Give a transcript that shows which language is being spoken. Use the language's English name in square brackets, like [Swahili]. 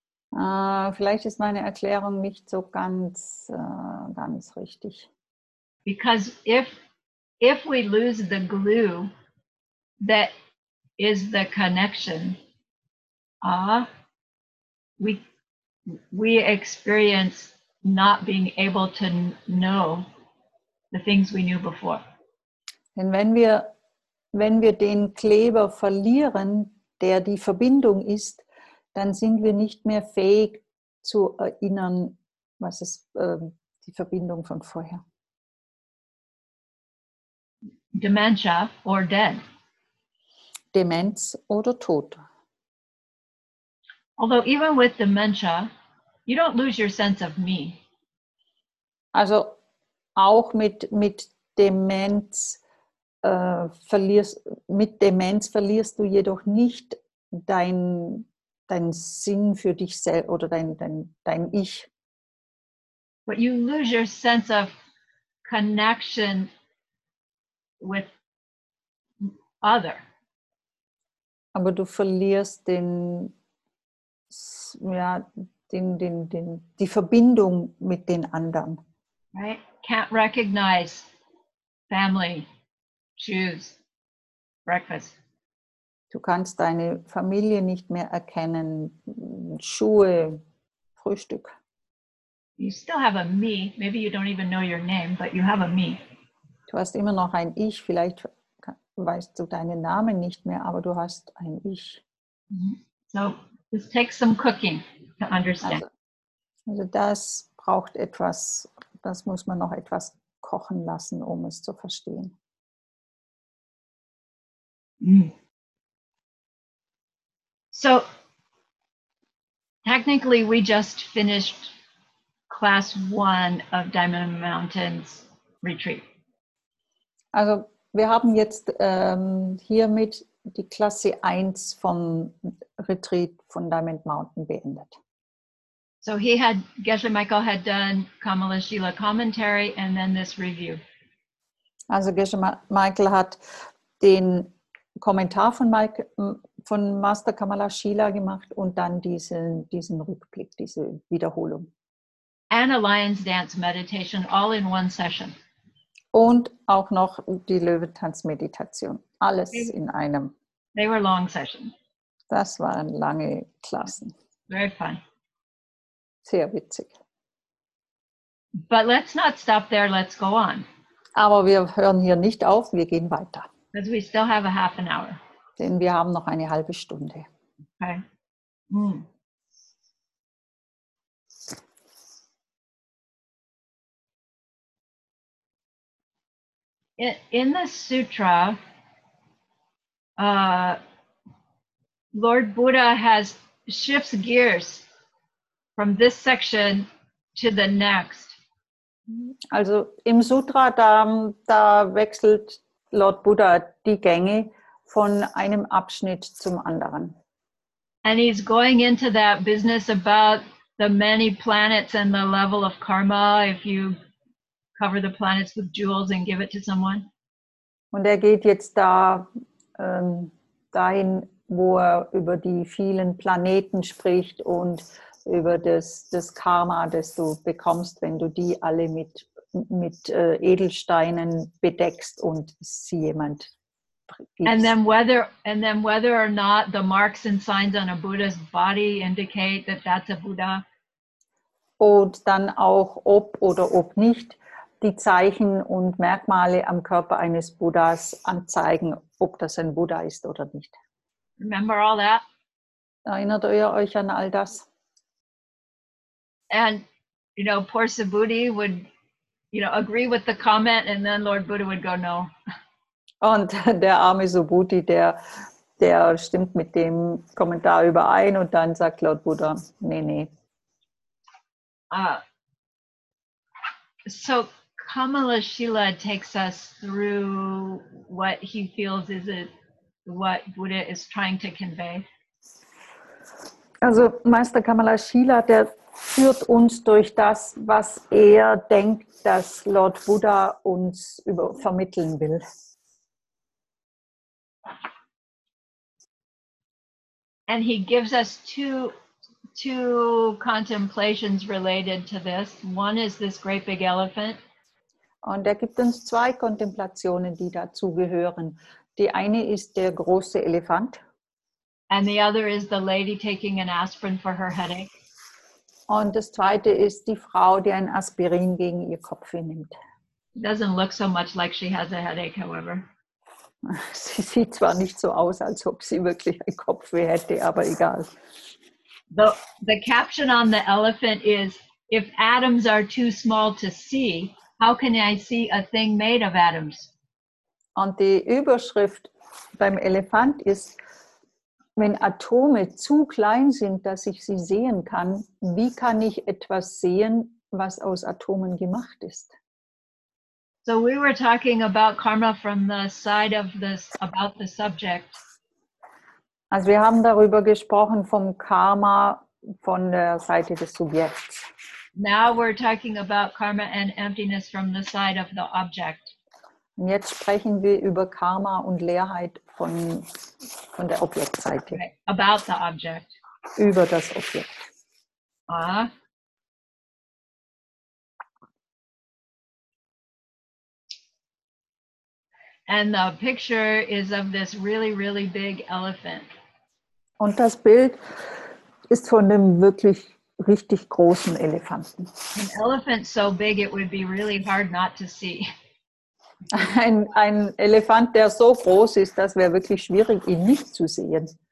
[German] Vielleicht ist meine Erklärung nicht so ganz richtig. [English] Because if if we lose the glue that is the connection, we experience not being able to know the things we knew before. [German] Denn wenn wir den Kleber verlieren, der die Verbindung ist, dann sind wir nicht mehr fähig zu erinnern, was ist die Verbindung von vorher. [English] Dementia or dead. [German] Demenz oder Tod. [English] Although even with dementia, you don't lose your sense of me. [German] Also auch mit Demenz verlierst du jedoch nicht dein Sinn für dich selbst oder dein Ich. [English] But you lose your sense of connection with other. [German] Aber du verlierst die Verbindung mit den anderen. [English] Right? Can't recognize family, shoes, breakfast. [German] Du kannst deine Familie nicht mehr erkennen, Schuhe, Frühstück. [English] You still have a me. Maybe you don't even know your name, but you have a me. [German] Du hast immer noch ein Ich. Vielleicht weißt du deinen Namen nicht mehr, aber du hast ein Ich. [English] So, this takes some cooking to understand. [German] Also das braucht etwas, das muss man noch etwas kochen lassen, um es zu verstehen. [English] So, technically we just finished class one of Diamond Mountain's retreat. [German] Also, wir haben jetzt hiermit die Klasse 1 vom Retreat von Diamond Mountain beendet. [English] So he had, Geshe Michael had done Kamala Shila commentary and then this review. [German] Also Geshe Michael hat den Kommentar von Master Kamala Shila gemacht und dann diesen Rückblick, diese Wiederholung. [English] And a lion's dance meditation all in one session. [German] Und auch noch die Löwentanzmeditation. Alles in einem. [English] They were long sessions. [German] Das waren lange Klassen. [English] Very fun. [German] Sehr witzig. [English] But let's not stop there, let's go on. [German] Aber wir hören hier nicht auf, wir gehen weiter. [English] Because we still have a half an hour. [German] Denn wir haben noch eine halbe Stunde. [English] Okay. In the sutra, Lord Buddha shifts gears from this section to the next. [German] Also im Sutra, da wechselt Lord Buddha die Gänge von einem Abschnitt zum anderen. [English] And he's going into that business about the many planets and the level of karma, if you cover the planets with jewels and give it to someone. [German] Und er geht jetzt da dahin, wo er über die vielen Planeten spricht und über das Karma, das du bekommst, wenn du die alle mit Edelsteinen bedeckst und sie jemand gibst. [English] And then whether or not the marks and signs on a Buddha's body indicate that that's a Buddha. [German] Und dann auch ob nicht die Zeichen und Merkmale am Körper eines Buddhas anzeigen, ob das ein Buddha ist oder nicht. [English] Remember all that? [German] Erinnert ihr euch an all das? [English] And, you know, poor Subhuti would, you know, agree with the comment and then Lord Buddha would go, no. [German] Und der arme Subhuti, der stimmt mit dem Kommentar überein und dann sagt Lord Buddha, nee, nee. [English] So Kamala Shila takes us through what he feels is it what Buddha is trying to convey. [German] Also Meister Kamala Shila, der führt uns durch das, was er denkt, dass Lord Buddha uns vermitteln will. [English] And he gives us two contemplations related to this. One is this great big elephant. [German] Und da gibt uns zwei Kontemplationen, die dazu gehören. Die eine ist der große Elefant. [English] And the other is the lady taking an aspirin for her headache. [German] Und das zweite ist die Frau, die ein Aspirin gegen ihr Kopf nimmt. [English] It doesn't look so much like she has a headache, however. [German] Sie sieht zwar nicht so aus, als ob sie wirklich einen Kopfweh hätte, aber egal. [English] The caption on the elephant is, if atoms are too small to see, how can I see a thing made of atoms? [German] Und die Überschrift beim Elefant ist, wenn Atome zu klein sind, dass ich sie sehen kann, wie kann ich etwas sehen, was aus Atomen gemacht ist? [English] So we were talking about karma from the side of this, about the subject. [German] Also wir haben darüber gesprochen vom Karma von der Seite des Subjekts. [English] Now we're talking about karma and emptiness from the side of the object. [German] Und jetzt sprechen wir über Karma und Leerheit von der Objektseite. [English] Okay. About the object. [German] Über das Objekt. [English] And the picture is of this really, really big elephant. [German] Und das Bild ist von einem wirklich richtig großen Elefanten. [English] An elephant so big it would be really hard not to see. [German] Ein Elefant, der so groß ist, das wäre wirklich schwierig, ihn nicht zu sehen.